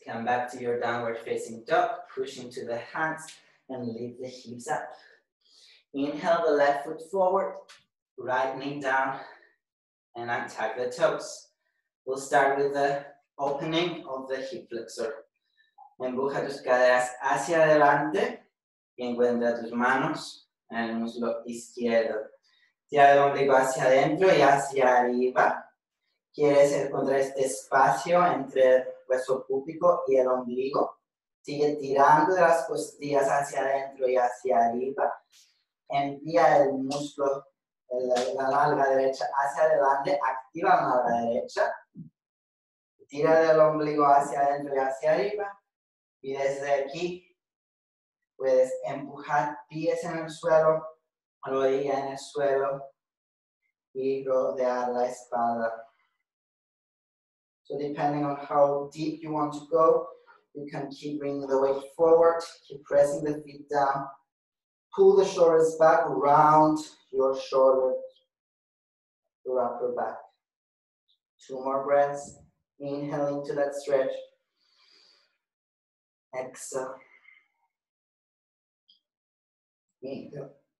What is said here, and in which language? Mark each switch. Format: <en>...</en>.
<en>Come back to your downward facing dog, push into the hands and lift the hips up. Inhale the left foot forward, right knee down, and untuck the toes. We'll start with the opening of the hip flexor.</en> <es>Empuja tus caderas hacia adelante y encuentra tus manos en el muslo izquierdo. Tira el ombligo hacia adentro y hacia arriba. Quieres encontrar este espacio entre hueso púbico y el ombligo. Sigue tirando de las costillas hacia adentro y hacia arriba. Envía el muslo, la nalga derecha hacia adelante, activa la nalga derecha. Tira del ombligo hacia adentro y hacia arriba. Y desde aquí puedes empujar pies en el suelo, rodilla en el suelo y rodear la espalda.</es> <en>So depending on how deep you want to go, you can keep bringing the weight forward, keep pressing the feet down, pull the shoulders back around your shoulders, your upper back. Two more breaths, inhale into that stretch, exhale, inhale.</en>